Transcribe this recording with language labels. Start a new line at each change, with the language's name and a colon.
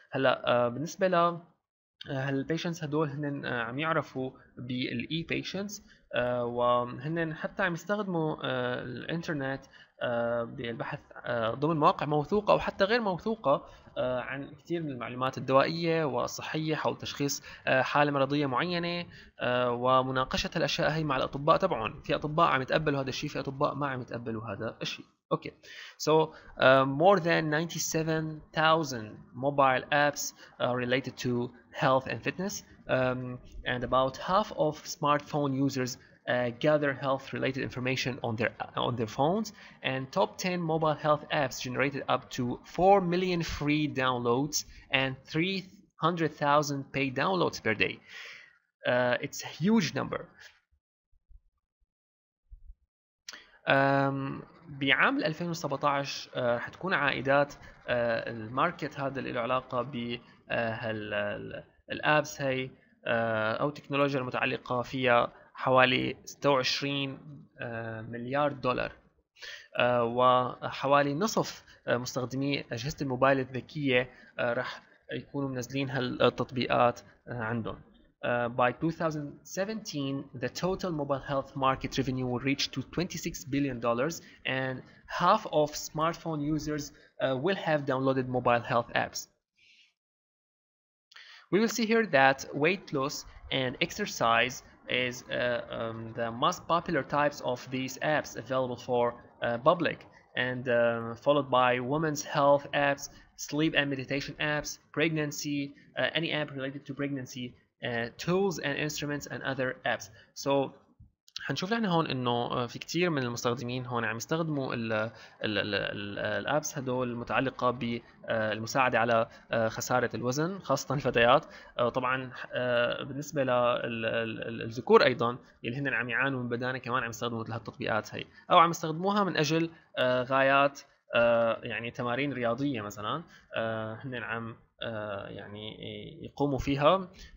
Arabic: هلا بالنسبة ل هالبيشنتس هدول هنن عم يعرفوا بالاي بيشنتس، وهنن حتى عم يستخدموا الانترنت بالبحث ضمن مواقع موثوقة او حتى غير موثوقة عن كثير من المعلومات الدوائية والصحية حول تشخيص حالة مرضية معينة ومناقشة الأشياء هي مع الأطباء تبعهم. في أطباء عم يتقبلوا هذا الشيء، في أطباء ما عم يتقبلوا هذا الشيء.
English: Okay, so more than 97,000 mobile apps are related to health and fitness, and about half of smartphone users gather health-related information on their phones. And top 10 mobile health apps generated up to 4 million free downloads and 300,000 paid downloads per day. It's a huge number.
Arabic: بعام 2017 رح تكون عائدات الماركت هذا اللي له علاقه بهالابس هي او التكنولوجيا المتعلقه فيها حوالي 26 مليار دولار، وحوالي نصف مستخدمي اجهزه الموبايل الذكيه رح يكونوا منزلين هالتطبيقات عندهم.
English: By 2017, the total mobile health market revenue will reach to $26 billion, and half of smartphone users will have downloaded mobile health apps. We will see here that weight loss and exercise is the most popular types of these apps available for public, and followed by women's health apps, sleep and meditation apps, pregnancy, any app related to pregnancy, tools and instruments and other apps.
Arabic: So حنشوف لحنا هون انه في كثير من المستخدمين هون عم يستخدموا الابس هدول المتعلقه بالمساعده على خساره الوزن خاصه الفتيات. طبعا بالنسبه للذكور ايضا اللي هن عم يعانوا من بدانه كمان عم يستخدموا هالتطبيقات هي، او عم يستخدموها من اجل غايات يعني تمارين رياضيه مثلا هن عم يعني يقوموا فيها.